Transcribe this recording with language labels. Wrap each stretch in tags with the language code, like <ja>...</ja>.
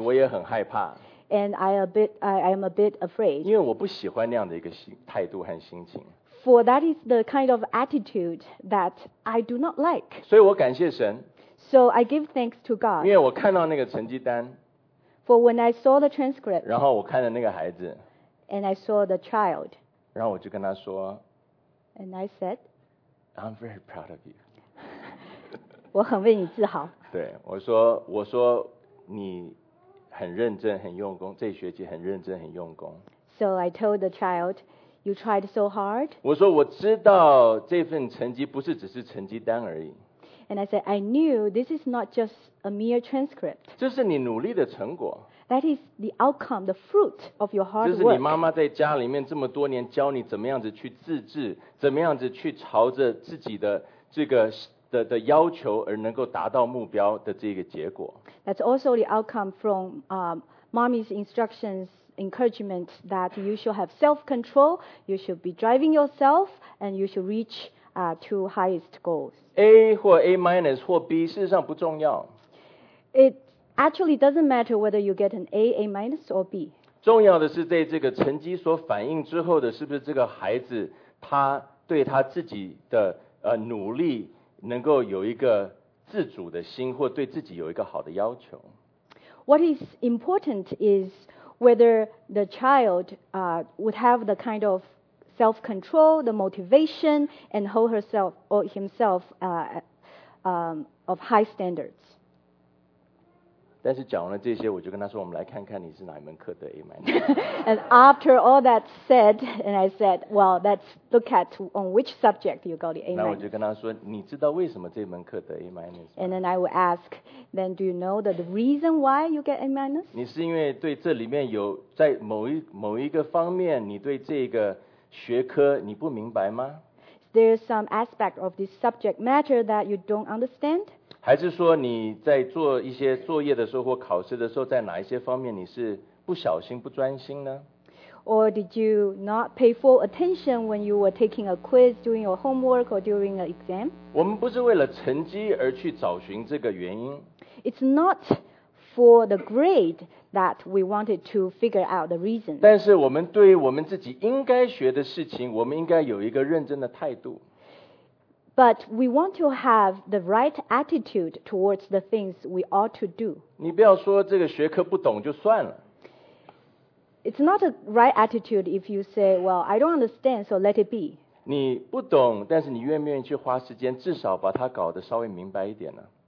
<zh>我也很害怕。</zh> <en>And I am a bit afraid.</en> <zh>因为我不喜欢那样的一个态度和心情。</zh> <en>For that is the kind of attitude that I do not like.</en> <zh>所以我感谢神。</zh> <en>So I give thanks to God.</en> <zh>因为我看到那个成绩单。</zh> <en>For when I saw the transcript.</en> <zh>然后我看了那个孩子。</zh> <en>And I saw the child.</en> <zh>然后我就跟他说</zh> <en>，And I said, I'm very proud of you.</en> <zh>我很为你自豪。对，我说你很认真，很用功，这一学期很认真，很用功。</zh> <en>So I told the child, you tried so hard.</en> <zh>我说我知道这份成绩不是只是成绩单而已。</zh> <en>And I said, I knew this is not just a mere transcript.</en> <zh>这是你努力的成果。</zh> <en>That is the outcome, the fruit of your hard work.</en> <zh>就是你妈妈在家里面这么多年教你怎么样子去自制，怎么样子去朝着自己的这个的要求而能够达到目标的这个结果。</zh> <en>That's also the outcome from mommy's instructions, encouragement that you should have self-control, you should be driving yourself, and you should reach to highest goals.</en> <zh>A 或 A minus 或 B 事实上不重要。</zh> <en>Actually, it doesn't matter whether you get an A, A minus, or B.</en> <zh>重要的是在这个成绩所反映之后的，是不是这个孩子他对他自己的努力能够有一个自主的心，或对自己有一个好的要求。</zh> <en>What is important is whether the child would have the kind of self-control, the motivation, and hold herself or himself of high standards.</en> <zh>但是讲完了这些，我就跟他说：“我们来看看你是哪一门课得 A 满。”</zh> <en>And after all that said, and I said, "Well, let's look at on which subject you got the A</en> <zh>满。” 那我就跟他说：“你知道为什么这门课得 A 满</zh> <en>？”And then I will ask, "Then do you know the reason why you get A</en> <zh>满？” 你是因为对这里面有在某一个方面，你对这个学科你不明白吗</zh> <en>？There is some aspect of this subject matter that you don't understand.</en> <zh>还是说你在做一些作业的时候或考试的时候，在哪一些方面你是不小心、不专心呢</zh> <en>？Or did you not pay full attention when you were taking a quiz, doing your homework, or during an exam？</en> <zh>我们不是为了成绩而去找寻这个原因。</zh> <en>It's not for the grade that we wanted to figure out the reason。</en> <zh>但是我们对于我们自己应该学的事情，我们应该有一个认真的态度。</zh> <en>But we want to have the right attitude towards the things we ought to do.</en> <zh>你不要说这个学科不懂就算了。</zh> <en>It's not a right attitude if you say, well, I don't understand, so let it be.</en> <zh>你不懂，但是你愿不愿意去花时间，至少把它搞得稍微明白一点呢？</zh>